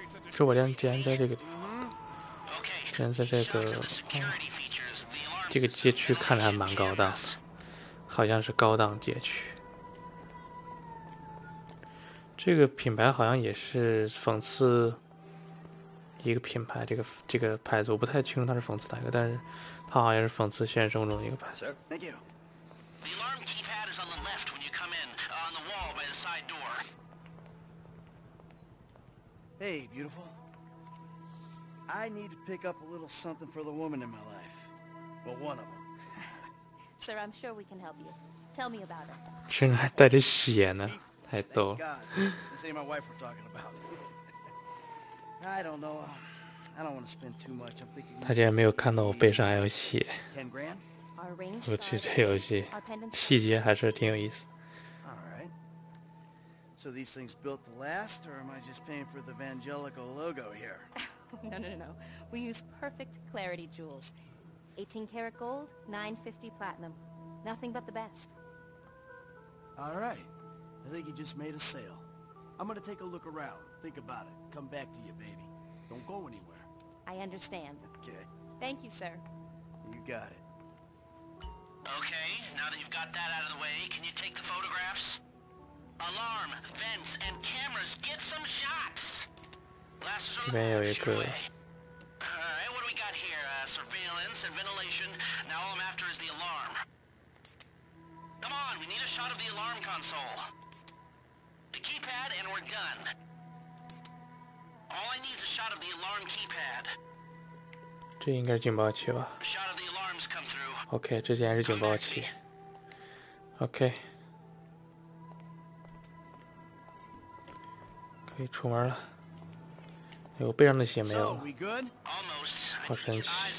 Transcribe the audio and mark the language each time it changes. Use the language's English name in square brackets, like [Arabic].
[Chinese] 珠宝店竟然在这个地方，竟然在这个街区，看着还蛮高档的，好像是高档街区。这个品牌好像也是讽刺一个品牌，这个牌子我不太清楚它是讽刺哪个，但是它好像是讽刺现实生活中的一个牌子。 [English] Thank you. The alarm keypad is on the left when you come in, on the wall by the side door. Hey, beautiful. I need to pick up a little something for the woman in my life. Well, one of them. Sir, I'm sure we can help you. Tell me about it. [Chinese] 居然还带着血呢。太逗了。 [English] Say my wife we're talking about. I don't know. I don't want to spend too much. I'm thinking. [Chinese] 他竟然没有看到我背上还有血。 [English] Ten grand. Our range. [Chinese] 我去这游戏，细节还是挺有意思。 [English] All right. so these things built to last, or am I just paying for the Evangelical logo here? No. We use perfect clarity jewels. 18 karat gold, 950 platinum. Nothing but the best. All right. I think you just made a sale. I'm gonna take a look around. Think about it. Come back to you, baby. Don't go anywhere. I understand. Okay. Thank you, sir. You got it. Okay, now that you've got that out of the way, can you take the photographs? Alarm, vents, and cameras, get some shots! Alright, what do we got here? Surveillance and ventilation. Now all I'm after is the alarm. Come on, we need a shot of the alarm console. The keypad, and we're done. All I need is a shot of the alarm keypad. [Chinese] 这应该是警报器吧 [English] ？Shot of the alarms come through. [Chinese] OK， 这竟然是警报器。 OK， 可以出门了。哎，我背上的血没有了，好神奇！